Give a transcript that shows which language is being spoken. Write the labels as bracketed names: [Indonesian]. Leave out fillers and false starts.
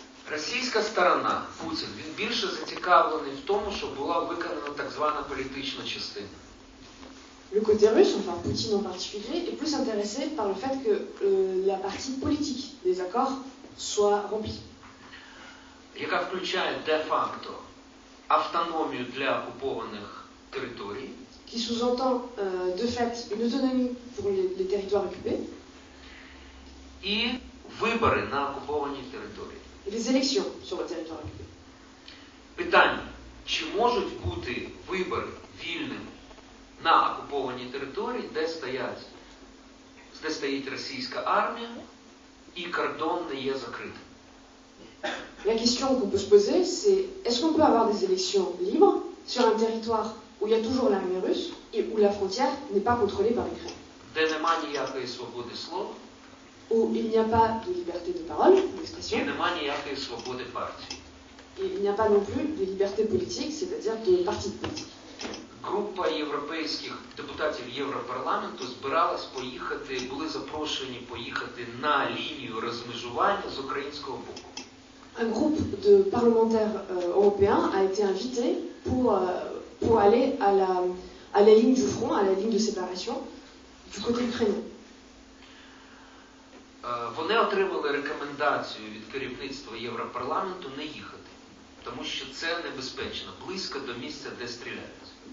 [Ukrainian] Російська сторона, Путін, він більше зацікавлений в тому, щоб була виконана так звана політична частина. [French] Le côté russe, enfin Poutine en particulier, est plus intéressé par le fait que la partie politique des accords soit remplie. [Ukrainian] Яка включає де-факто автономію для окупованих територій. [French] Qui sous-entend de fait une autonomie pour les territoires occupés. [Ukrainian] І вибори на окупованій території. [French] Et les élections sur le territoire occupé. [Ukrainian] Питання: чи можуть бути вибори вільними на окупованій території, де стоїть російська армія і кордон не є закритим? [French] La question qu'on peut se poser, c'est est-ce qu'on peut avoir des élections libres sur un territoire où il y a toujours l'armée russe et où la frontière n'est pas contrôlée par l'Ukraine? [Ukrainian] Де немає ніякої свободи слова? [French] Où il n'y a pas de liberté de parole, d'expression? [Ukrainian] Де немає ніякої свободи партії? [French] Et il n'y a pas non plus de liberté politique, c'est-à-dire de parti politique. [Ukrainian] Група європейських депутатів Європарламенту збиралась поїхати, були запрошені поїхати на лінію розмежування з українського боку. [French] Un groupe de parlementaires européens a été invité pour aller à la ligne du front, à la ligne de séparation du côté ukrainien. [Ukrainian] Вони отримали рекомендацію від керівництва Європарламенту не їхати, тому що це небезпечно, близько до місця, де стріляють.